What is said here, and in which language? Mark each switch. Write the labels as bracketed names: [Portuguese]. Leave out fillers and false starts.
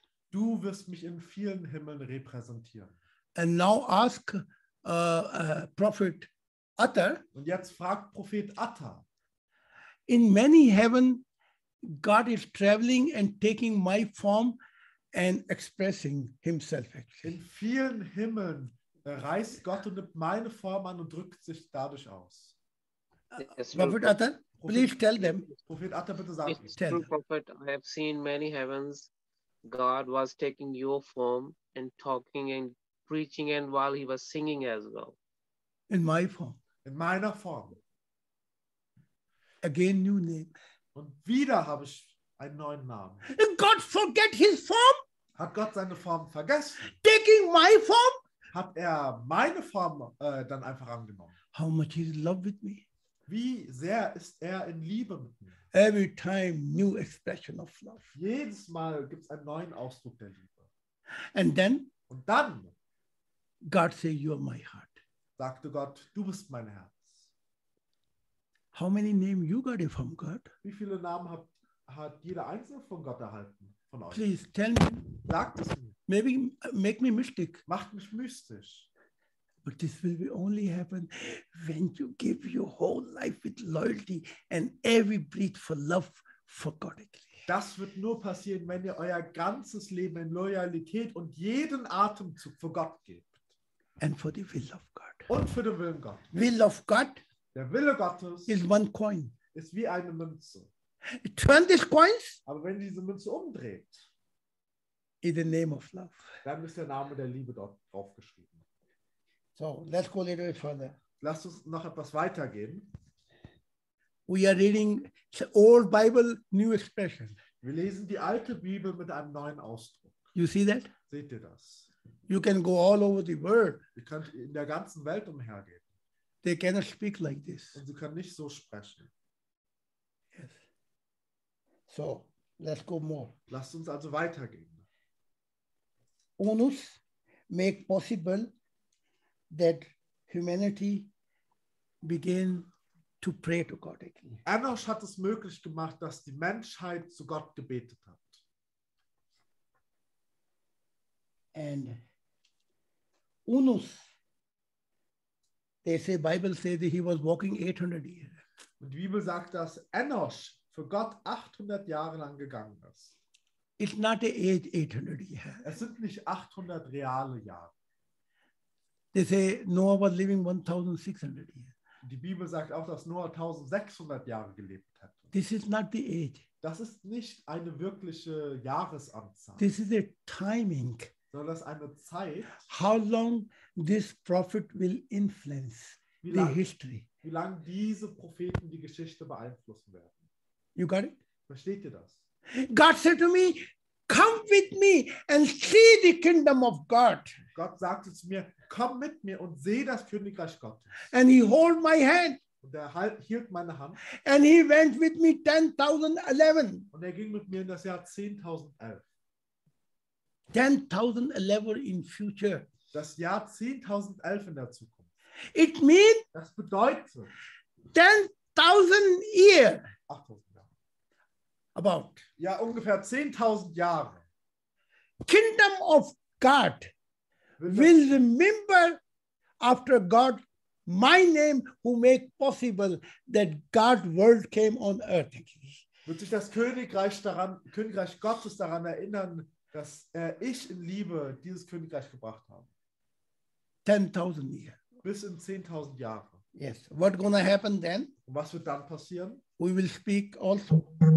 [German] Du wirst mich in vielen Himmeln repräsentieren. [English] And now ask Prophet Atter. [German] Und jetzt fragt Prophet Atter. [English] In many heaven, God is traveling and taking my form and expressing himself. Actually. [German] In vielen Himmeln reist Gott und nimmt meine Form an und drückt sich dadurch aus. [English] Prophet Atter, please tell them. [German] Prophet Atter, bitte sag [English] es. True, Prophet, I have seen many heavens. God was taking your form and talking and preaching and while he was singing as well. In my form. [German] In meiner Form. [English] Again new name. [German] Und wieder habe ich einen neuen Namen. [English] God forget his form? [German] Hat Gott seine Form vergessen? [English] Taking my form? [German] Hat er meine Form dann einfach angenommen? [English] How much he is in love with me? [German] Wie sehr ist er in Liebe mit mir? [English] Every time new expression of love. [German] Jedes Mal gibt es einen neuen Ausdruck der Liebe. [English] And then? [German] Und dann? [English] God say you are my heart. [German] Sagte Gott, du bist mein Herz. [English] How many names you got from God? [German] Wie viele Namen hat jeder einzelne von Gott erhalten von euch? [English] Please tell me. [German] Sagt es mir. [English] Maybe make me mystic. [German] Macht mich mystisch. [English] But this will be only happen when you give your whole life with loyalty and every breath for love for God. [German] Das wird nur passieren, wenn ihr euer ganzes Leben in Loyalität und jeden Atemzug für Gott gebt. [English] And for the will of God. [German] Und für den Willen Gottes. [English] Will of God. [German] Der Wille Gottes. [English] Is one coin. [German] Ist wie eine Münze. [English] Turn these coins. [German] Aber wenn diese Münze umdreht. [English] In the name of love. [German] Dann ist der Name der Liebe dort draufgeschrieben. [English] So, let's go a little bit further. [German] Lass uns noch etwas weitergehen. [English] We are reading the old Bible, new expression. [German] Wir lesen die alte Bibel mit einem neuen Ausdruck. [English] You see that? [German] Seht ihr das? [English] You can go all over the world. [German] Ihr könnt in der ganzen Welt umhergehen. [English] They cannot speak like this. [German] Und sie können nicht so sprechen. [English] Yes. So, let's go more. [German] Lasst uns also weitergehen. [English] Onus make possible that humanity begin to pray to God again. [German] Enosh hat es möglich gemacht, dass die Menschheit zu Gott gebetet hat. [English] And Onus, they say, Bible says he was walking 800 years. [German] Und die Bibel sagt, dass Enosh für Gott 800 Jahre lang gegangen ist. [English] It's not the age 800 years. [German] Es sind nicht 800 reale Jahre. [English] They say Noah was living 1600 years. [German] Die Bibel sagt auch, dass Noah 1600 Jahre gelebt hat. [English] This is not the age. [German] Das ist nicht eine wirkliche Jahresanzahl. [English] This is a timing. [German] Sondern das ist eine Zeit. [English] How long this prophet will influence the history. [German] Wie lange diese Propheten die Geschichte beeinflussen werden. [English] You got it? [German] Versteht ihr das? [English] God said to me, come with me and see the kingdom of God. [German] Gott sagte zu mir, komm mit mir und seh das Königreich Gottes. [English] And he hold my hand. [German] Und er hielt meine Hand. [English] And he went with me 10,011. [German] Und er ging mit mir in das Jahr [English] 10,011. 10,011 in future. [German] Das Jahr 10,011 in der Zukunft. [English] It means. [German] Das bedeutet. [English] 10,000 year. 8,000. About. [German] Ja, ungefähr 10,000 Jahre. [English] Kingdom of God will remember after God my name who make possible that God world came on earth. [German] Wird sich das Königreich Gottes daran erinnern, dass ich in Liebe dieses Königreich gebracht habe. [English] 10,000 years. [German] Bis in 10,000 Jahre. [English] Yes. What gonna happen then? [German] Und was wird dann passieren? [English] We will speak also.